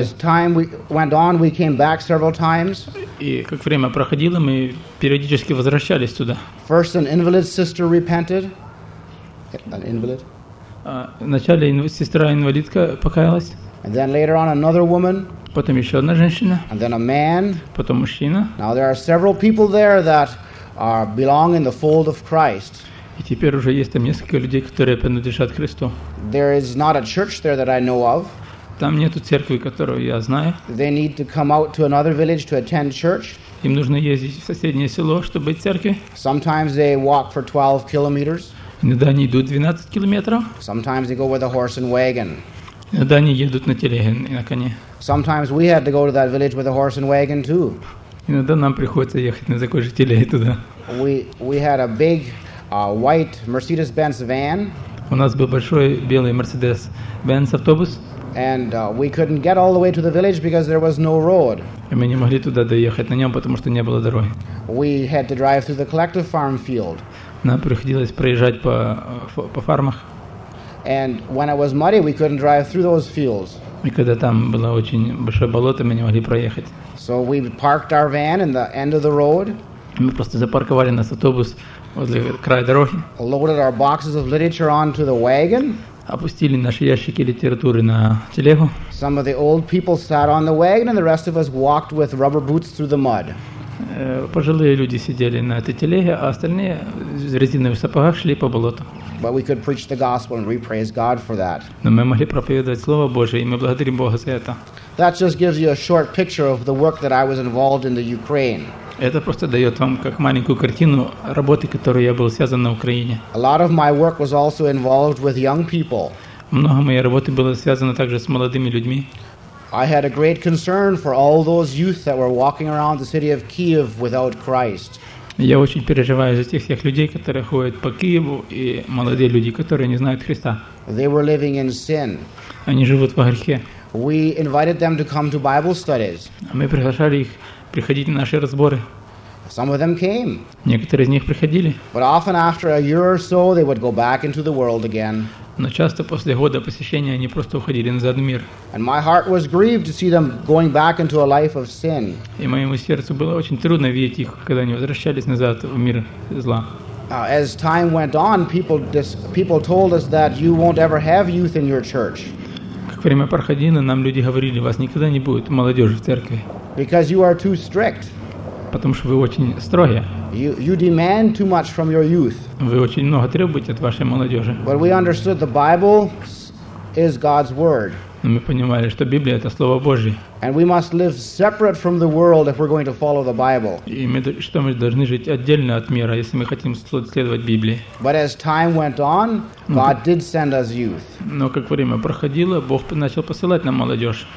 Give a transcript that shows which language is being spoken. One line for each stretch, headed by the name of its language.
English: As time went on, we came back several times.
Russian: И как время проходило, мы периодически возвращались туда.
English: First, an invalid sister repented. An invalid.
Russian: Вначале сестра-инвалидка покаялась.
English: And then later on, another woman.
Russian: Потом еще одна женщина.
English: And then a man.
Russian: Потом мужчина.
English: Now there are several people there that belong in the fold of Christ.
Russian: И теперь уже есть там несколько людей, которые принадлежат Христу.
English: There is not a church there that I know of.
Russian: Там нету церкви, которую я знаю.
English: They need to come out to another village to attend church.
Russian: Им нужно ездить в соседнее село, чтобы быть в церкви.
English: Sometimes they walk for 12 kilometers.
Russian: Иногда они идут 12 километров.
English: Sometimes they go with a horse and wagon.
Russian: Иногда они едут на телеге и на коне.
English: Sometimes we had to go to that village with a horse and wagon too.
Russian: Иногда нам приходится ехать на такой же телеге туда.
English: We had a big white Mercedes-Benz van.
Russian: У нас был большой белый Mercedes-Benz автобус.
English: And we couldn't get all the way to the village because there was no road.
Russian: И мы не могли туда доехать на нем, потому что не было дороги.
English: We had to drive through the collective farm field.
Russian: Нам приходилось проезжать по фармах.
English: And when it was muddy, we couldn't drive through those fields.
Russian: И когда там было очень большое болото, мы не могли проехать.
English: So we parked our van in the end of the road.
Russian: Мы просто запарковали наш автобус возле края дороги.
English: Loaded our boxes of literature onto the wagon.
Russian: Опустили наши ящики литературы на телегу.
English: Some of the old people sat on the wagon, and the rest of us walked with rubber boots through the mud.
Russian: Пожилые люди сидели на этой телеге, а остальные в резиновых сапогах шли по болоту.
English: But we could preach the gospel, and we praise God for that.
Russian: Но мы могли проповедовать слово Божие, и мы благодарим Бога за это.
English: That just gives you a short picture of the work that I was involved in the Ukraine.
Russian: Это просто дает вам как маленькую картину работы, которой я был связан на Украине.
English: A lot of my work was also involved with young people.
Russian: Много моей работы было связано также с молодыми людьми.
English: I had a great concern for all those youth that were walking around the city of Kyiv without Christ.
Russian: Я очень переживаю за тех всех людей, которые ходят по Киеву, и молодые люди, которые не знают Христа.
English: They were living in sin.
Russian: Они живут во грехе.
English: We invited them to come to Bible studies.
Russian: Мы приглашали их приходить на наши разборы.
English: Some of them came.
Russian: Некоторые из них приходили.
English: But often after a year or so, they would go back into the world again.
Russian: Но часто после года посещения они просто уходили назад в мир.
English: And my heart was grieved to see them going back into a life of sin.
Russian: И моему сердцу было очень трудно видеть их, когда они возвращались назад в мир зла.
English: As time went on, people told us that you won't ever have youth in your church.
Russian: Как время проходило, нам люди говорили, вас никогда не будет молодежи в церкви.
English: Because you are too strict.
Russian: Потому что вы очень строгие.
English: You demand too much from your youth.
Russian: Вы очень много требуете от вашей молодежи.
English: But we understood the Bible is God's word.
Russian: Но мы понимали, что Библия — это Слово Божье.
English: And we must live separate from the world if we're going to follow the Bible.
Russian: И мы должны жить отдельно от мира, если мы хотим следовать Библии.
English: But as time went on, God did send us youth.
Russian: Но как время проходило, Бог начал посылать нам молодежь.